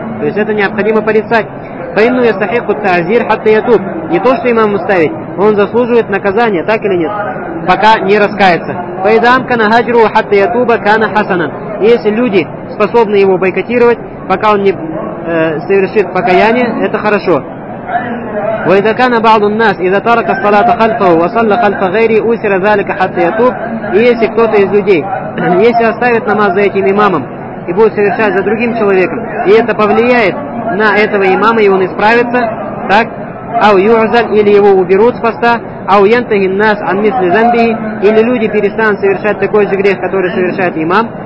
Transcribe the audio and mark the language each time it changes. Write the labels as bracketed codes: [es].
[ru] То есть это необходимо порицать. [ar] Поинну ястахикку таазир хатта ятуб. [ru] Не то, что имаму ставить, он заслуживает наказания, так или нет? Пока не раскается. [ar] Поэдам кана хаджру хатта ятуба кана хасанан. [ru] Если люди способны его бойкотировать, пока он не совершит покаяние, это хорошо. [ar] وإذا كان بعض الناس إذا ترك الصلاة خلفه وصلى خلف غيره أسر ذلك حتى يتوب. [ru] Если кто-то из людей, если оставит намаз за этим имамом и будет совершать за другим человеком, и это повлияет на этого имама, и он исправится, так, [ar] أو يعزل, [ru] или его уберут с поста, [ar] أو ينتهي الناس عن مثل ذنبه, [ru] или люди перестанут совершать такой же грех, который совершает имам.